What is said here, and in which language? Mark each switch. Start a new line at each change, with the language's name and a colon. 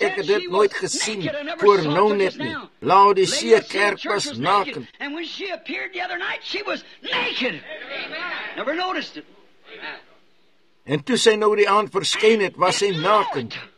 Afrikaans: Ek het dit nooit gesien, voor nou net nie. Laodicea kerk was nakend.
English: And when she appeared the other night, she was naked. Never noticed it.
Afrikaans: En toe sy nou die aand verskyn het, was sy nakend.